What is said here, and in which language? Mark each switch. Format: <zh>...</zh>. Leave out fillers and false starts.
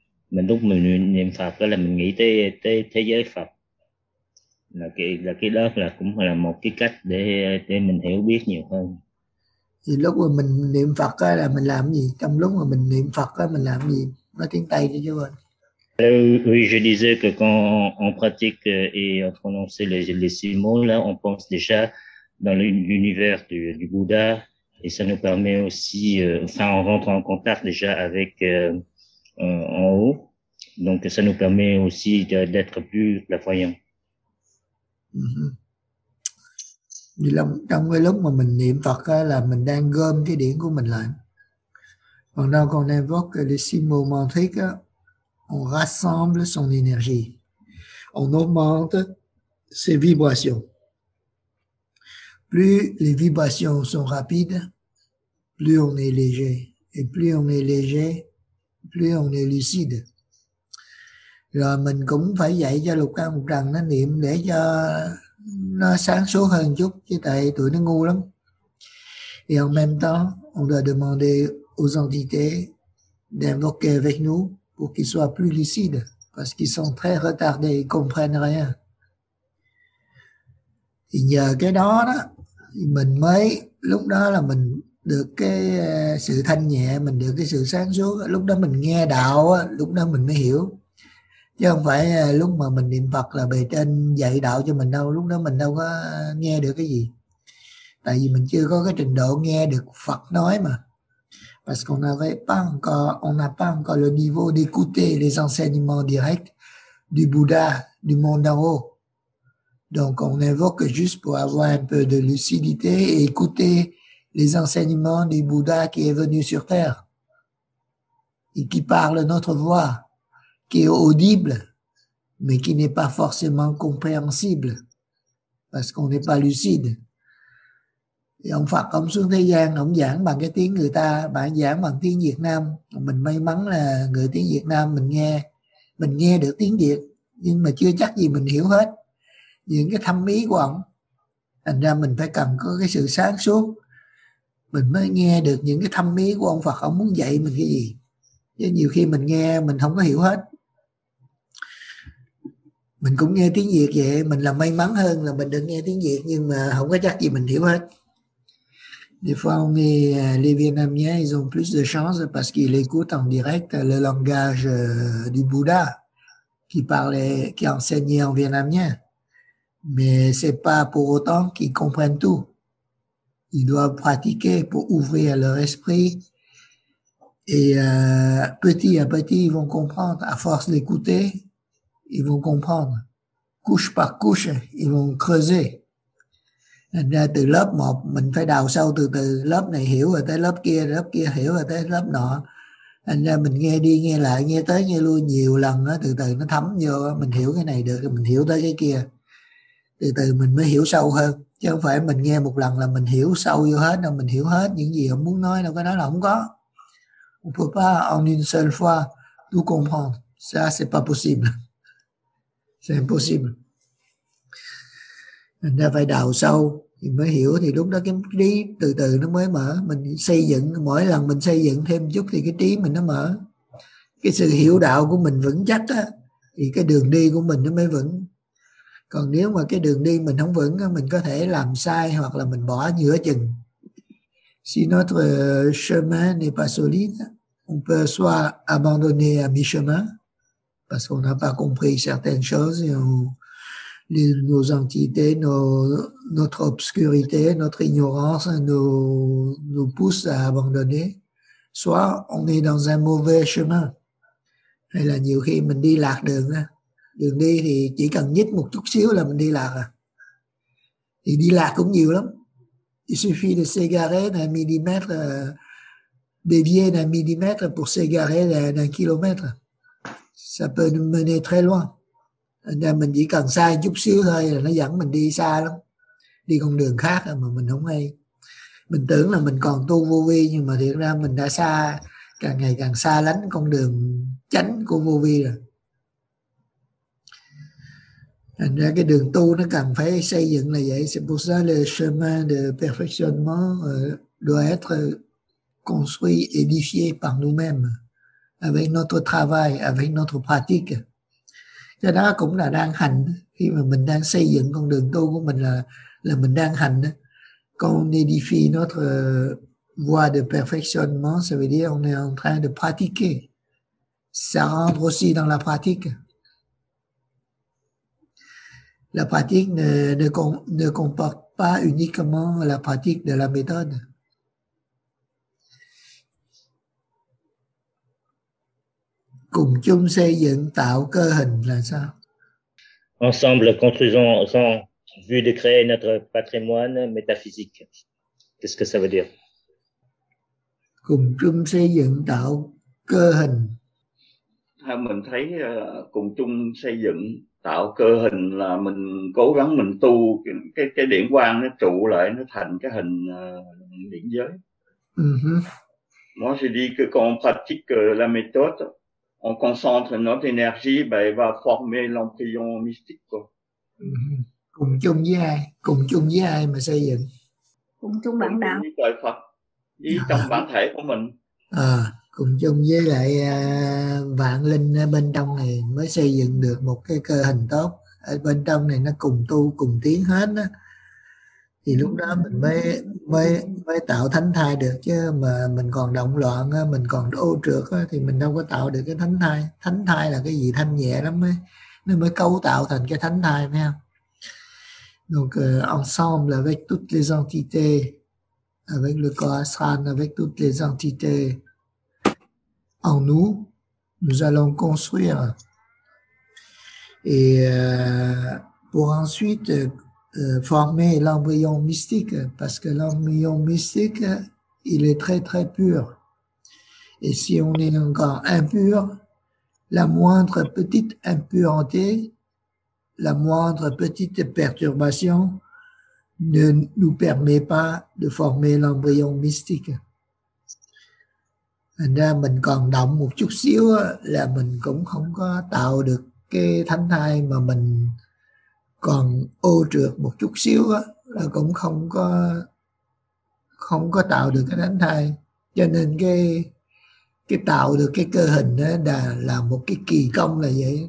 <vi>Mình lúc mình niệm Phật đó là mình nghĩ tới tới thế giới Phật, là cái đó là cũng là một cái cách để mình hiểu biết nhiều hơn. Thì lúc mà mình niệm Phật đó là mình làm gì? Trong lúc mà mình niệm Phật đó mình làm gì? Nói tiếng Tây cho chú anh.</vi> <fr>Oui, je disais que quand on pratique et on prononce les six mots, là, on pense déjà dans l'univers du Bouddha, et ça nous permet aussi, enfin, on rentre en contact déjà avec en haut, donc ça nous permet aussi d'être plus clairvoyant. Dans le</fr> <vi>lúc mà mình niệm Phật là mình đang gom cái điển của mình lại.</vi> <fr>Pendant qu'on invoque les six mots mantriques, on rassemble son énergie, on augmente ses vibrations. Plus les vibrations sont rapides, plus on est léger. Et plus on est léger, plus on est lucide.</fr> <vi>Rồi mình cũng phải dạy cho Lục Căn Mục Trần nó niệm để cho nó sáng suốt hơn chút, chứ tại tụi nó ngu lắm.</vi> <fr>Et en même temps, on doit demander aux entités d'invoquer avec nous pour qu'ils soient plus lucides, parce qu'ils sont très retardés, ils comprennent rien. Et</fr> <vi>nhờ cái đó đó, mình mới, lúc đó là mình được cái sự thanh nhẹ, mình được cái sự sáng suốt, lúc đó mình nghe đạo, lúc đó mình mới hiểu. Chứ không phải lúc mà mình niệm Phật là bề trên dạy đạo cho mình đâu, lúc đó mình đâu có nghe được cái gì. Tại vì mình chưa có cái trình độ nghe được Phật nói mà.</vi> <fr>Parce qu'on n'avait pas encore, on n'a pas encore le niveau d'écouter les enseignements directs du Bouddha, du monde en haut. Donc, on invoque juste pour avoir un peu de lucidité et écouter les enseignements du Bouddha qui est venu sur Terre et qui parle notre voix, qui est audible, mais qui n'est pas forcément compréhensible parce qu'on n'est pas lucide.</fr> <vi>Thì ông Phật ông xuống thế gian ông giảng bằng cái tiếng người ta, bạn giảng bằng tiếng Việt Nam. Mình may mắn là người tiếng Việt Nam mình nghe được tiếng Việt, nhưng mà chưa chắc gì mình hiểu hết những cái thâm ý của ông. Thành ra mình phải cần có cái sự sáng suốt, mình mới nghe được những cái thâm ý của ông Phật, ông muốn dạy mình cái gì. Chứ nhiều khi mình nghe mình không có hiểu hết. Mình cũng nghe tiếng Việt vậy, mình là may mắn hơn là mình được nghe tiếng Việt nhưng mà không có chắc gì mình hiểu hết.</vi> <fr>Des fois, on est, les Vietnamiens, ils ont plus de chance parce qu'ils écoutent en direct le langage du Bouddha qui enseignait en vietnamien. Mais c'est pas pour autant qu'ils comprennent tout. Ils doivent pratiquer pour ouvrir leur esprit. Et petit à petit, ils vont comprendre. À force d'écouter, ils vont comprendre. Couche par couche, ils vont creuser.</fr> <vi>Từ lớp 1 mình phải đào sâu từ từ, lớp này hiểu rồi tới lớp kia hiểu rồi tới lớp nọ. Anh ra mình nghe đi nghe lại, nghe tới nghe lui nhiều lần á, từ từ nó thấm vô, mình hiểu cái này được, mình hiểu tới cái kia. Từ từ mình mới hiểu sâu hơn, chứ không phải mình nghe một lần là mình hiểu sâu vô hết đâu, mình hiểu hết những gì ông muốn nói đâu, cái đó là không có.</vi> <fr>On peut pas en une seule fois tout comprendre. Ça c'est pas possible. C'est impossible.</fr> <vi>Mình phải đào sâu thì mới hiểu, thì lúc đó cái trí từ từ nó mới mở. Mình xây dựng, mỗi lần mình xây dựng thêm chút thì cái trí mình nó mở. Cái sự hiểu đạo của mình vững chắc á, thì cái đường đi của mình nó mới vững. Còn nếu mà cái đường đi mình không vững á, mình có thể làm sai hoặc là mình bỏ giữa chừng.</vi> <fr>Si notre chemin n'est pas solide, on peut soit abandonner à mi-chemin parce qu'on n'a pas compris certaines choses et nos entités, notre obscurité, notre ignorance nous pousse à abandonner. Soit on est dans un mauvais chemin.</fr> <vi>Hay là nhiều khi mình đi lạc đường. Đường đi thì chỉ cần nhích một chút xíu là mình đi lạc. Thì đi lạc cũng nhiều lắm.</vi> <fr>Il suffit de s'égarer d'un millimètre, dévier d'un millimètre pour s'égarer d'un kilomètre. Ça peut nous mener très loin.</fr> <vi>Mình chỉ cần sai chút xíu thôi là nó dẫn mình đi xa lắm. Đi con đường khác mà mình không hay. Mình tưởng là mình còn tu vô vi nhưng mà thiệt ra mình đã xa, càng ngày càng xa lánh con đường chánh của vô vi rồi. Thành ra cái đường tu nó cần phải xây dựng là vậy.</vi> <fr>C'est pour ça le chemin de perfectionnement doit être construit, édifié par nous-mêmes, avec notre travail, avec notre pratique.</fr> <vi>Cho đó cũng là đang hành, khi mà mình đang xây dựng con đường tu của mình là mình đang hành.</vi> <fr>Quand on édifie notre voie de perfectionnement, ça veut dire on est en train de pratiquer. Ça rentre aussi dans la pratique. La pratique ne comporte pas uniquement la pratique de la méthode.</fr> <vi>Cùng chung xây dựng tạo cơ hình là sao?</vi> <fr>Ensemble construisons en vue de créer notre patrimoine métaphysique. Qu'est-ce que ça veut dire?</fr> <vi>Cùng chung xây dựng tạo cơ hình. Theo mình thấy cùng chung xây dựng tạo cơ hình là mình cố gắng mình tu cái điển quang nó trụ lại nó thành cái hình điển giới.</vi> <fr>Moi je dis que quand on pratique la méthode, on concentre notre énergie, ben va former l'embryon mystique quoi.</fr> <vi>Cùng chung với ai? Cùng chung với ai mà xây dựng? Cùng chung bản đạo. Cùng chung với Phật, với trong bản thể của mình. Cùng chung với lại vạn linh ở bên trong này mới xây dựng được một cái cơ hình tốt. Ở bên trong này nó cùng tu cùng tiến hết á, thì lúc đó mình mới tạo thánh thai được, chứ mà mình còn động loạn á, mình còn ô trược á, thì mình đâu có tạo được cái thánh thai. Thánh thai là cái gì thanh nhẹ lắm ấy, nó mới cấu tạo thành cái thánh thai, phải không?</vi> <fr>Donc ensemble avec toutes les entités, avec le corps astral, avec toutes les entités en nous, nous allons construire. Et pour ensuite former l'embryon mystique, parce que l'embryon mystique, il est très très pur. Et si on est encore impur, la moindre petite impureté, la moindre petite perturbation ne nous permet pas de former l'embryon mystique.</fr> <vi>Thành ra mình còn động một chút xíu là mình cũng không có tạo được cái thánh thai, mà mình còn ô trược một chút xíu là cũng không có tạo được cái thánh thai. Cho nên cái tạo được cái cơ hình là một cái kỳ công là vậy.</vi>